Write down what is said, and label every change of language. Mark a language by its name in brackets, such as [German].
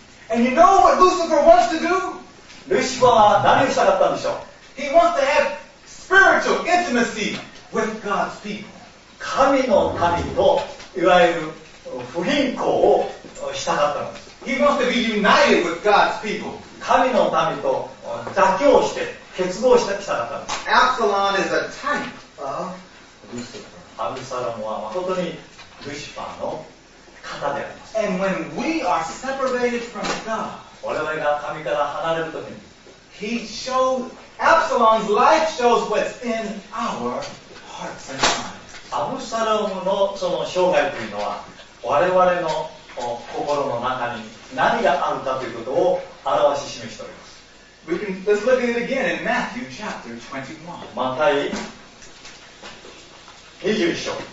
[English] And you know what Lucifer wants to do? [Japanese] ルシファーは何をしたかったんでしょう? [English] He wants to have spiritual intimacy with God's people. [Japanese] 神の民といわゆる不倫行をしたかったんです。 [English] He wants to be united with God's people. [Japanese] 神の民と妥協して結合したきたかったんです。 [English] Absalom is a type of Lucifer. [Japanese] アブサロムは誠にルシファーの型であります。 [English] And when we are separated from God, [Japanese] 我々が神から離れるときに、 [English] He shows Absalom's life shows what's in our hearts and minds. [Japanese] アブサロムのその生涯というのは我々の心の中に何があるかということを表し示しております。 [English] Let's look at it again in Matthew chapter 21. [Japanese] マタイ21章。